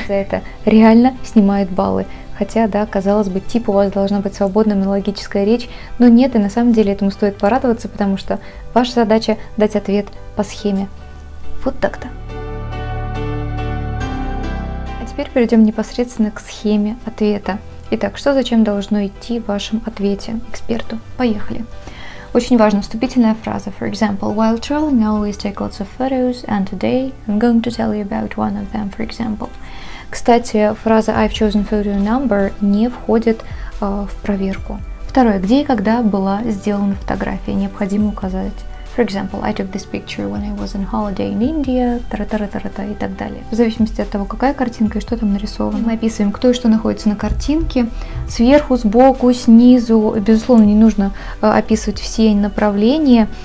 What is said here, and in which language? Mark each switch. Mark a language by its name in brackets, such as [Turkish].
[Russian] За это реально снимают баллы. Хотя, да, казалось бы, типа у вас должна быть свободная монологическая речь, но нет, и на самом деле этому стоит порадоваться, потому что ваша задача – дать ответ по схеме. Вот так-то. А теперь перейдем непосредственно к схеме ответа. Итак, что зачем должно идти в вашем ответе эксперту? Поехали. Очень важна вступительная фраза. [English] For example, while traveling, I always take lots of photos, and today I'm going to tell you about one of them, for example. [Russian] Кстати, фраза [English] I've chosen photo number [Russian] не входит в проверку. Второе. Где и когда была сделана фотография? Необходимо указать. [English] For example, I took this picture when I was on holiday in India, [Russian] тара-тара-тара-та и так далее. В зависимости от того, какая картинка и что там нарисовано. Мы описываем, кто и что находится на картинке. Сверху, сбоку, снизу. Безусловно, не нужно описывать все направления.